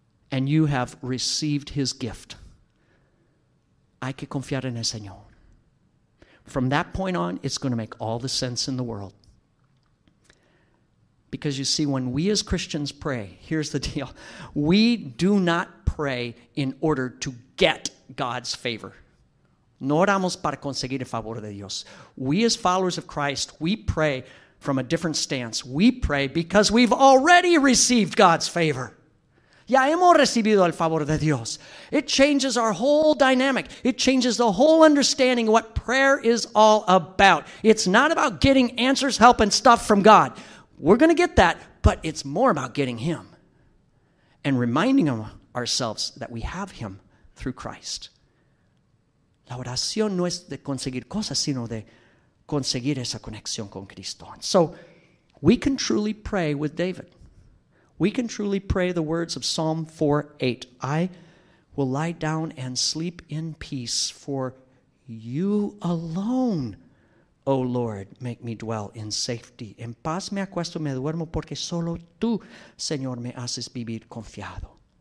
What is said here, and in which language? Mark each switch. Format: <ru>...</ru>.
<en>And you have received his gift.</en> <es>Hay que confiar en el Señor.</es> <en>From that point on, it's going to make all the sense in the world. Because you see, when we as Christians pray, here's the deal. We do not pray in order to get God's favor.</en> <es>No oramos para conseguir el favor de Dios.</es> <en>We as followers of Christ, we pray from a different stance. We pray because we've already received God's favor.</en> <es>Ya hemos recibido el favor de Dios.</es> <en>It changes our whole dynamic. It changes the whole understanding of what prayer is all about. It's not about getting answers, help, and stuff from God. We're going to get that, but it's more about getting him and reminding ourselves that we have him through Christ.</en> <es>La oración no es de conseguir cosas, sino de conseguir esa conexión con Cristo.</es> <en>So we can truly pray with David. We can truly pray the words of Psalm 4:8. I will lie down and sleep in peace, for you alone, O Lord, make me dwell in safety.</en> <es>En paz me acuesto, me duermo, porque solo tú, Señor, me haces vivir confiado.</es>